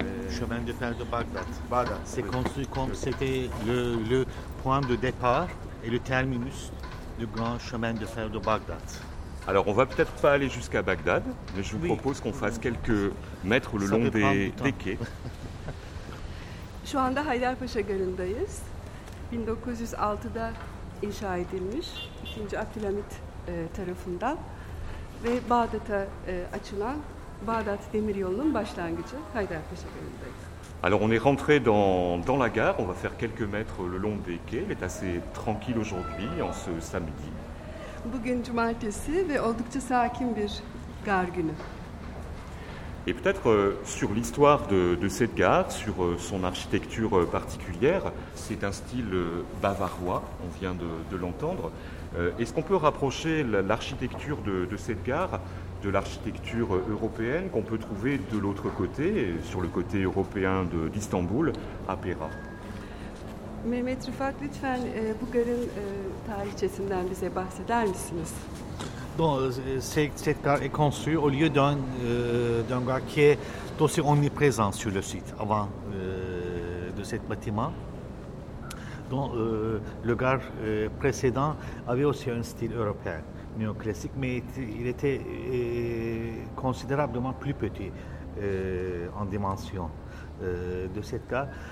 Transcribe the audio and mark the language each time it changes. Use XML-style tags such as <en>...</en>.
<fr>Chemin de fer de Bagdad. Bagdad. C'est construit comme c'était le point de départ et le terminus du grand chemin de fer de Bagdad. Alors, on va peut-être pas aller jusqu'à Bagdad, mais je vous propose qu'on fasse quelques mètres le ça long des quais.</fr> <tr>Şu anda Haydarpaşa garındayız. 1906'da inşa edilmiş 2. Abdülhamit tarafından ve Bağdat'a açılan Bağdat demiryolunun başlangıcı Haydarpaşa garındayız.</tr> <fr>Alors, on est rentré dans la gare, on va faire quelques mètres le long des quais. Il est assez tranquille aujourd'hui en ce samedi.</fr> <tr>Bugün cumartesi ve oldukça sakin bir gar günü.</tr> <fr>Et peut-être sur l'histoire de cette gare, sur son architecture particulière, c'est un style bavarois, on vient de l'entendre. Est-ce qu'on peut rapprocher l'architecture de cette gare de l'architecture européenne qu'on peut trouver de l'autre côté, sur le côté européen d'Istanbul, à Pera?</fr> <tr>Mehmet Rifat, lütfen bu garın tarihçesinden bize bahseder misiniz?</tr> <fr>Bon, cette gare est construite au lieu d'un gare qui est aussi omniprésent sur le site avant de cet bâtiment. Donc, le gare précédent avait aussi un style européen, néoclassique, mais il était considérablement plus petit en dimension de cette gare.</fr>